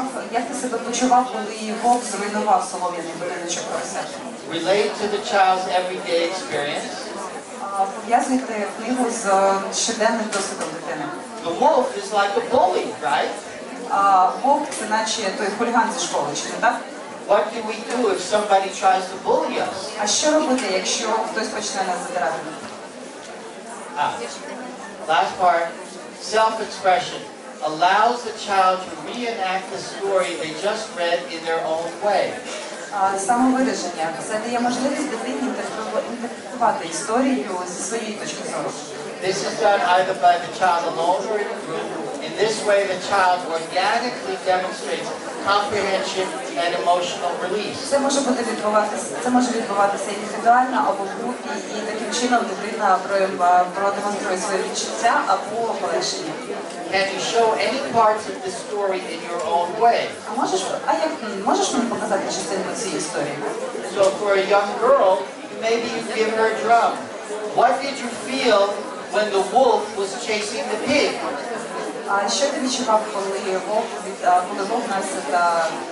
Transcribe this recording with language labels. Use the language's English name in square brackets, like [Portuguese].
[Ukrainian] Як ти себе почував, коли вовк зруйнував солом'яний будиночок поросят? [English] Relate to the child's everyday experience. [Ukrainian] Пов'язуйте книгу з щоденним досвідом дитини. [English] The wolf is like a bully, right? [Ukrainian] Вовк – це наче той хуліган зі школи, чи не так? [English] What do we do if somebody tries to bully us? [Ukrainian] А що робити, якщо хтось почне нас задирати? [English] Last part. Self-expression allows the child to reenact the story they just read in their own way. [Ukrainian] Самовираження. Це дає можливість дитині інтерпретувати історію зі своєї точки зору. [English] This is done either by the child alone or in a group. In this way, the child organically demonstrates comprehension and emotional release. [Ukrainian] Це може відбуватися індивідуально або в групі, і таким чином дитина продемонструє своє відчуття або полегшення. [English] Can you show any parts of the story in your own way? [Ukrainian] А можеш мені показати частину цієї історії? [English] So for a young girl, maybe you give her a drum. What did you feel when the wolf was chasing the pig? [Ukrainian] А що ти відчував, коли вовк нас за поросятка?